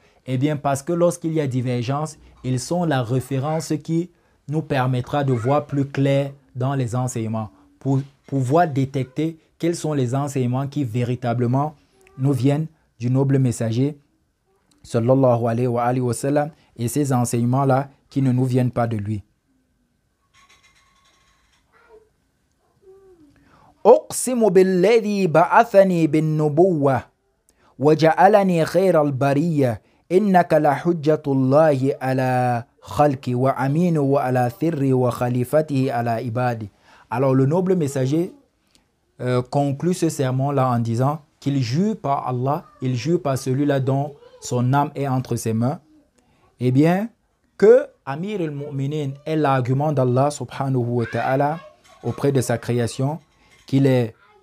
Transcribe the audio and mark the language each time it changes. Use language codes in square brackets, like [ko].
[fr] Eh bien, parce que lorsqu'il y a divergence, ils sont la référence qui nous permettra de voir plus clair dans les enseignements, pour pouvoir détecter quels sont les enseignements qui véritablement nous viennent du noble messager, sallallahu alayhi wa sallam, et ces enseignements-là qui ne nous viennent pas de lui. [ar] أقسم بالذي بعثني بالنبوة وجعلني خير البرية إنك لحجة الله على خلقي وأمينه وعلى ثري وخليفته على عبادي. [fr] Alors le noble messager conclut ce serment là en disant qu'il jure par Allah, il jure par celui-là dont son âme est entre ses mains, eh bien que Amir al-Mu'minin est l'argument d'Allah subhanahu wa ta'ala auprès de sa création, qu'il est